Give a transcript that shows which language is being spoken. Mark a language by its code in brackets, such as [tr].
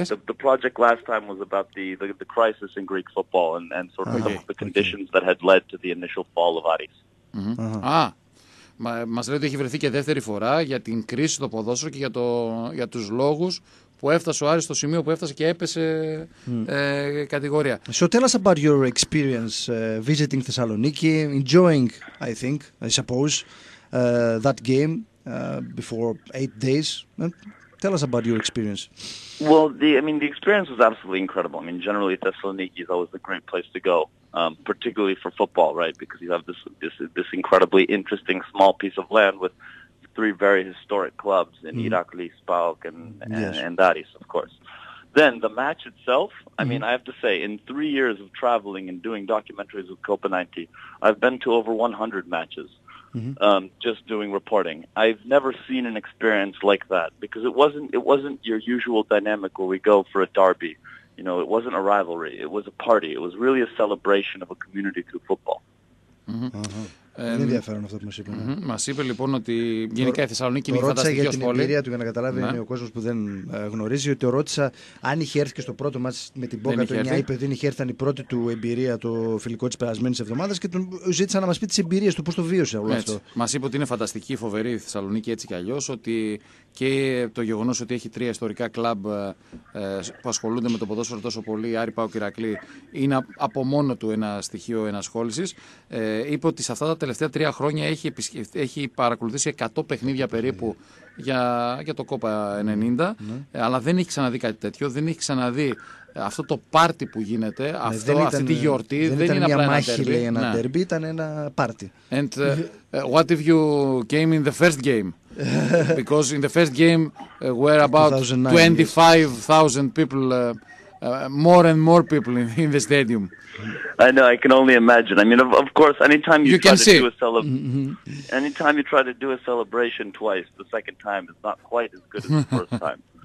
[en] The project last time was about the crisis in Greek football and sort of, okay, some of the conditions, okay, that had led to the initial fall of Aris. Mm-hmm. Uh-huh. [el] Μας λέει ότι έχει βρεθεί και δεύτερη φορά για την κρίση στο ποδόσφαιρο και για τους λόγους που έφτασε ο Άρης στο σημείο που έφτασε και έπεσε κατηγορία. [en] So tell us about your experience visiting Thessaloniki, enjoying, I suppose, that game before 8 days. Tell us about your experience. Well, the experience was absolutely incredible. I mean, generally Thessaloniki is always a great place to go, particularly for football, right? Because you have this incredibly interesting small piece of land with three very historic clubs in Heracles, PAOK, and Aris, of course. Then the match itself, I mean, I have to say, in 3 years of traveling and doing documentaries with COPPA 90, I've been to over 100 matches, just doing reporting. I've never seen an experience like that, because it wasn't your usual dynamic where we go for a derby. You know, it wasn't a rivalry. It was a party. It was really a celebration of a community through football. Mm-hmm. Uh-huh. [el] Είναι ενδιαφέρον αυτό που μας είπε. Ναι. Mm-hmm. Μας είπε λοιπόν ότι γενικά η Θεσσαλονίκη είναι φανταστική ως πόλη. Ρώτησα για την εμπειρία του για να καταλάβει ναι. ο κόσμος που δεν γνωρίζει, ότι ρώτησα αν είχε έρθει και στο πρώτο μας με την Μπόκα το 9, είπε ότι δεν είχε έρθει, ήταν η πρώτη του εμπειρία το φιλικό της περασμένης εβδομάδας και τον ζήτησα να μας πει τις εμπειρίες του, πώς το βίωσε όλο έτσι. Αυτό. Μας είπε ότι είναι φανταστική, φοβερή η Θεσσαλονίκη έτσι κι αλλιώς, ότι και το γεγονός ότι έχει τρία ιστορικά κλαμπ που ασχολούνται με το ποδόσφαιρο τόσο πολύ, Άρη, ΠΑΟΚ, Ηρακλή, είναι από μόνο του ένα στοιχείο ενασχόλησης. Είπε ότι σε αυτά τα τελευταία τρία χρόνια έχει παρακολουθήσει 100 παιχνίδια περίπου για το Κόπα 90, αλλά δεν έχει ξαναδεί κάτι τέτοιο, δεν έχει ξαναδεί αυτό το πάρτι που γίνεται, αυτή τη γιορτή. Δεν είναι μια απλά μάχη, ένα λέει, ένα ντέρμπι, ήταν ένα πάρτι. [en] And what if you came in the first game? Because in the first game were about 25,000 people, more and more people in the stadium. I know, I can only imagine. I mean, of course, anytime you try to do a anytime you try to do a celebration twice, the second time is not quite as good as the first time.